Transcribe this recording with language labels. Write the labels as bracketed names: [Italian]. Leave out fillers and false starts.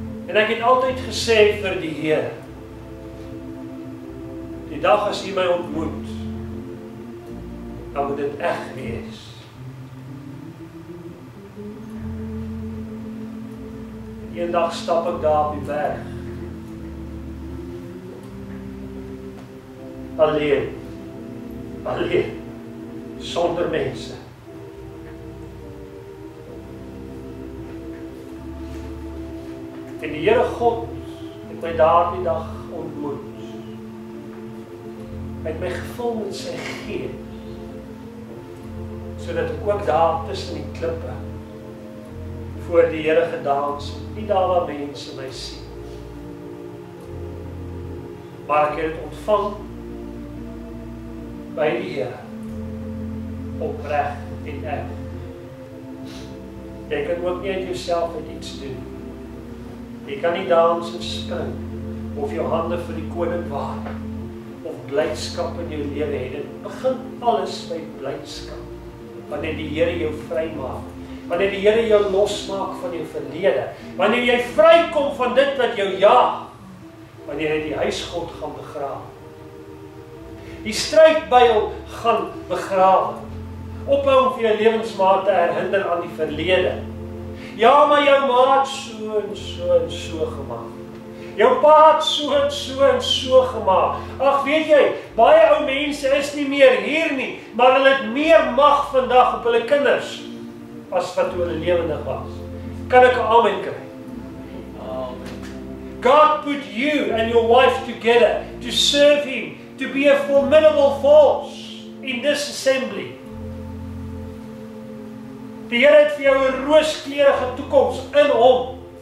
[Afrikaans] En ek het altyd gesê vir die Heer, die dag as hy my ontmoet, dan moet dit echt wees. Een dag stap ek daar op die berg. Alleen. Alleen. Sonder mense. En die Heere God het my daar die dag ontmoet. Hy het my gevul met sy gees. Sodat ek ook daar tussen die klippe voor die Heere gedans het. Nie daar waar mense my sien. Maar ek het ontvang by die Heere oprecht en ek. Jy kan ook nie uit jouself iets doen. Jy kan nie dans en spring of jou hande vir die koning waar of blydskap in jou lewe het. Het begin alles by blydskap wanneer die Heere jou vry maak. Wanneer die Heere jou losmaak van jou verlede. Wanneer jy vrykom van dit wat jou jaag. Wanneer jy die huisgod gaan begrawe. Die strydbuil gaan begrawe. Ophou om vir jou lewensmaat te herhinder aan die verlede. Ja, maar jou ma het so en so en so gemaak. Jou pa het so en so en so gemaak. Ag, weet jy, baie ou mense is nie meer hier nie. Maar hulle het meer mag vandag op hulle kinders. As wat oor die lewendig was. Kan ek een amen kry? Amen. [English] God put you and your wife together to serve him, to be a formidable force in this assembly. [Afrikaans] Die Heer het vir jou een rooskleurige toekomst in hom.